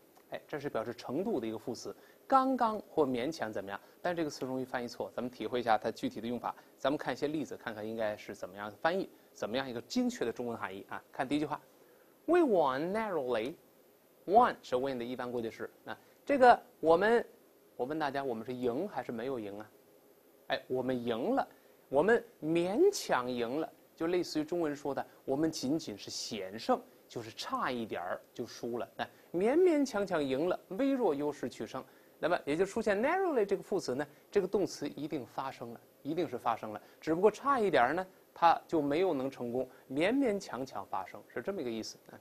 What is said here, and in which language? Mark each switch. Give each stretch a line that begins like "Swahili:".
Chinese: 哎，这是表示程度的一个副词，刚刚或勉强怎么样？但这个词容易翻译错，咱们体会一下它具体的用法。咱们看一些例子，看看应该是怎么样翻译，怎么样一个精确的中文含义啊？
English: 看第一句话 ，We won narrowly.
Chinese: Won 是 win 的一般过去式。那这个我问大家，我们是赢还是没有赢啊？哎，我们赢了，我们勉强赢了，就类似于中文说的，我们仅仅是险胜。就是差一点就输了，那勉勉强强赢了，微弱优势取胜，那么也就出现 narrowly 这个副词呢，这个动词一定发生了，一定是发生了，只不过差一点呢，它就没有能成功，勉勉强强发生，是这么一个意思。